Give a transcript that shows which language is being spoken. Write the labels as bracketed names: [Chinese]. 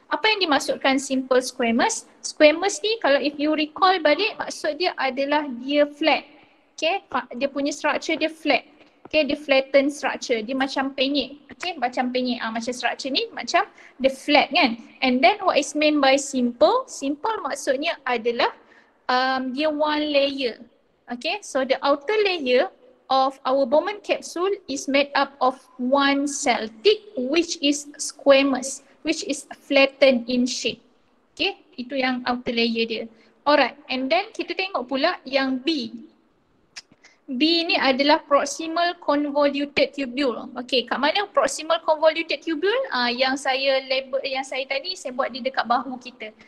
[Malay] Apa yang dimaksudkan simple squamous? Squamous ni kalau [English] if you recall [Malay] balik, maksud dia adalah dia flat. Okay, dia punya structure dia flat. Okay, dia flattened structure. Dia macam penyek. Okay, macam penyek. Macam structure ni macam dia flat kan. [English] And then what is meant by simple? [Malay] Simple maksudnya adalah dia one layer. [English] Okay, so the outer layer of our Bowman capsule is made up of one cell thick, which is squamous, which is flattened in shape. [Malay] Okay, itu yang outer layer dia. Alright, and then kita tengok pula yang B. B ni adalah proximal convoluted tubule. Okay, kat mana proximal convoluted tubule? Yang saya label, yang saya tadi saya buat di dekat bahu kita.